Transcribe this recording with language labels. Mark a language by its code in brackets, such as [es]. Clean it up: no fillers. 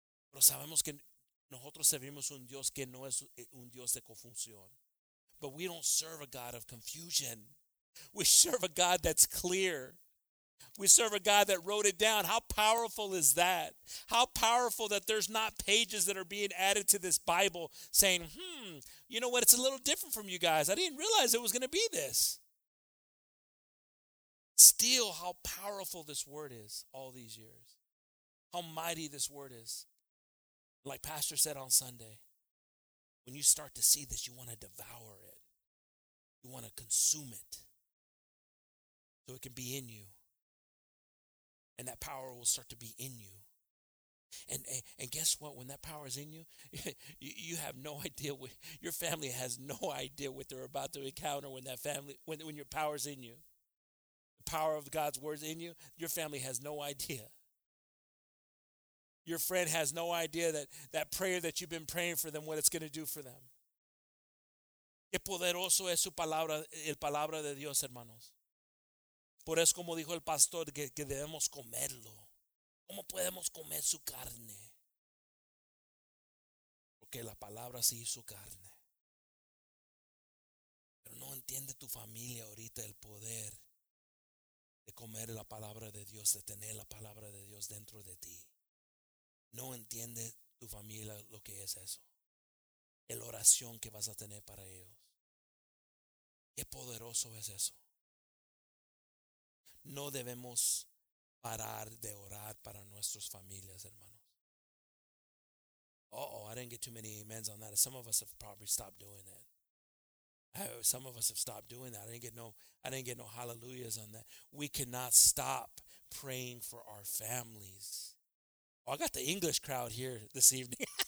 [es] Pero sabemos que nosotros servimos un Dios que no es un Dios de confusión. [en] But we don't serve a God of confusion. We serve a God that's clear. We serve a God that wrote it down. How powerful is that? How powerful that there's not pages that are being added to this Bible saying, you know what? It's a little different from you guys. I didn't realize it was going to be this. still how powerful this word is all these years. How mighty this word is. Like Pastor said on Sunday, when you start to see this, you want to devour it. You want to consume it so it can be in you. And that power will start to be in you. And guess what? When that power is in you, you have no idea. Your family has no idea what they're about to encounter when your power is in you. The power of God's word is in you. Your family has no idea. Your friend has no idea that prayer that you've been praying for them, what it's going to do for them. [es] Qué poderoso es su palabra, el palabra de Dios, hermanos. Por eso como dijo el pastor que debemos comerlo. ¿Cómo podemos comer su carne? Porque la palabra se hizo carne. Pero no entiende tu familia ahorita el poder de comer la palabra de Dios, de tener la palabra de Dios dentro de ti. No entiende tu familia lo que es eso. La oración que vas a tener para ellos. Qué poderoso es eso. No debemos parar de orar para nuestras familias, hermanos. [en] Uh-oh, I didn't get too many amens on that. Some of us have probably stopped doing that. Some of us have stopped doing that. I didn't get no hallelujahs on that. We cannot stop praying for our families. Oh, I got the English crowd here this evening.